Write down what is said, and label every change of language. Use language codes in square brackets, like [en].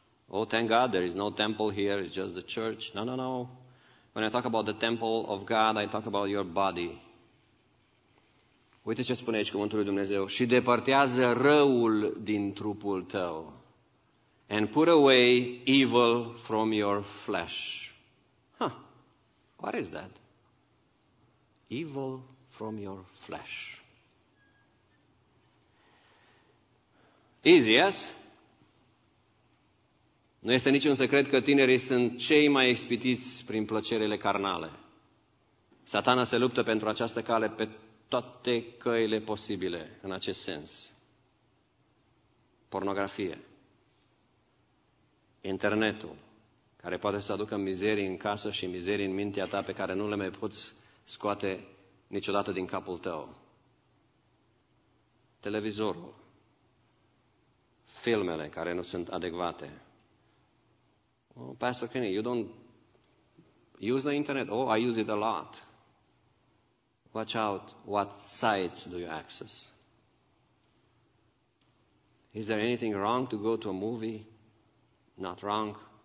[en] Oh, thank God, there is no temple here, it's just the church. No. When I talk about the temple of God, I talk about your body. [ro] Uite ce spune aici cuvântul lui Dumnezeu. Și depărtează răul din trupul tău. [en] And put away evil from your flesh. What is that? Evil from your flesh. Easy, yes? [ro] Nu este niciun secret că tinerii sunt cei mai ispitiți prin plăcerile carnale. Satana se luptă pentru această cale pe toate căile posibile în acest sens. Pornografie. Internetul, care poate să aducă mizerii în casă și mizerii în mintea ta pe care nu le mai poți scoate niciodată din capul tău. Televizorul. Filmele care nu sunt adecvate. [en] Oh, Pastor Kenny, you don't use the internet. Oh, I use it a lot. Watch out what sites do you access. Is there anything wrong to go to a movie? Not wrong.